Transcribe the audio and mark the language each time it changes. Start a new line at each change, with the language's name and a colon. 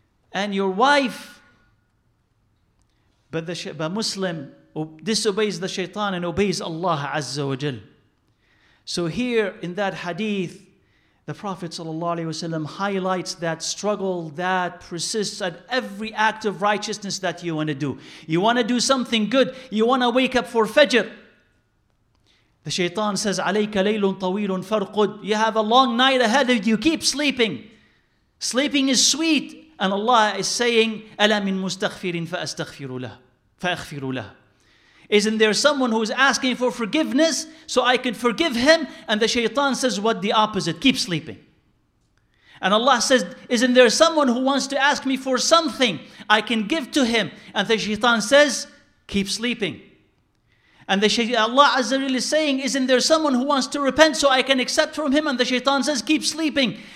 English: And your wife. But the Muslim disobeys the shaitan and obeys Allah Azza wa Jal. So here in that hadith, the Prophet Sallallahu Alaihi Wasallam highlights that struggle that persists at every act of righteousness that you want to do. You want to do something good. You want to wake up for Fajr. The shaitan says,
Arabic: عَلَيْكَ لَيْلٌ طَوِيلٌ فَرْقُدْ.
English: You have a long night ahead of you. Keep sleeping. Sleeping is sweet. And Allah is saying,
Arabic: أَلَا مِن مُسْتَغْفِرٍ فَأَسْتَغْفِرُ لَهُ فَأَغْفِرُ لَهُ.
English: Isn't there someone who is asking for forgiveness so I can forgive him? And the shaitan says, what the opposite? Keep sleeping. And Allah says, isn't there someone who wants to ask me for something I can give to him? And the shaitan says, keep sleeping. And the Allah Azza wa Jalla is saying, isn't there someone who wants to repent so I can accept from him? And the shaitan says, keep sleeping.